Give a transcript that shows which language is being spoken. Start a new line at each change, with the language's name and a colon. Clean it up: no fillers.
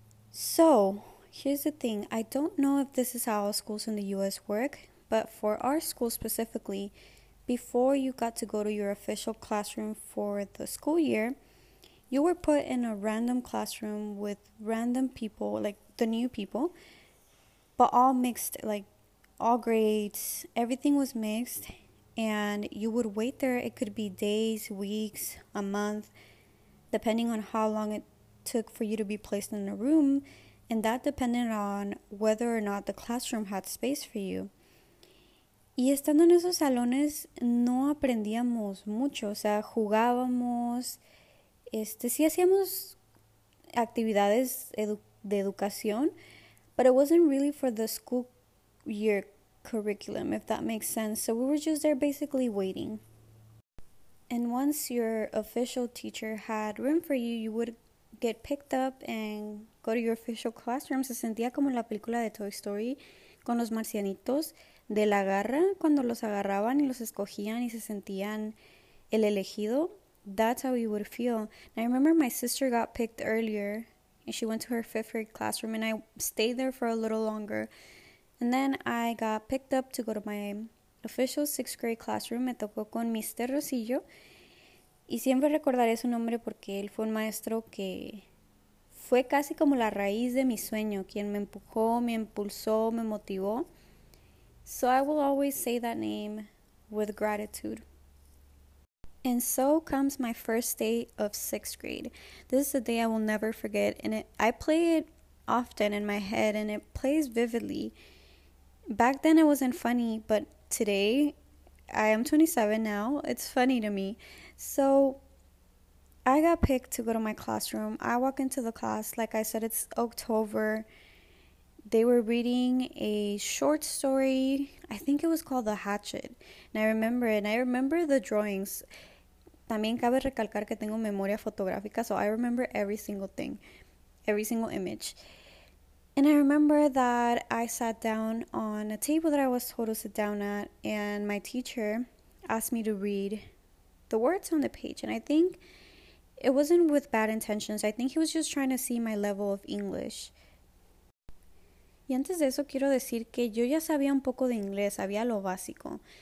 English: So here's the thing. I don't know if this is how schools in the US work, but for our school specifically, before you got to go to your official classroom for the school year, you were put in a random classroom with random people, like the new people, but all mixed, like all grades, everything was mixed, and you would wait there. It could be days, weeks, a month, depending on how long it took for you to be placed in a room, and that depended on whether or not the classroom had space for you.
Spanish: Y estando en esos salones, no aprendíamos mucho, o sea, jugábamos. Sí hacíamos actividades de educación,
English: but it wasn't really for the school year curriculum, if that makes sense. So we were just there basically waiting. And once your official teacher had room for you, you would get picked up and go to your official classroom.
Spanish: Se sentía como en la película de Toy Story con los marcianitos de la garra, cuando los agarraban y los escogían y se sentían el elegido.
English: That's how you would feel. And I remember my sister got picked earlier and she went to her fifth grade classroom and I stayed there for a little longer. And then I got picked up to go to my official sixth grade classroom.
Spanish: Me tocó con Mr. Rosillo. Y siempre recordaré su nombre porque él fue un maestro que fue casi como la raíz de mi sueño, quien me empujó, me impulsó, me motivó.
English: So I will always say that name with gratitude. And so comes my first day of sixth grade. This is a day I will never forget, and I play it often in my head, and it plays vividly. Back then, it wasn't funny, but today, I am 27 now, it's funny to me. So I got picked to go to my classroom. I walk into the class, like I said, it's October. They were reading a short story. I think it was called The Hatchet, and I remember it, and I remember the drawings.
Spanish: También cabe recalcar que tengo memoria fotográfica,
English: so I remember every single thing, every single image. And I remember that I sat down on a table that I was told to sit down at, and my teacher asked me to read the words on the page. And I think it wasn't with bad intentions. I think he was just trying to see my level of English.
Spanish: Y antes de eso, quiero decir que yo ya sabía un poco de inglés, sabía lo básico.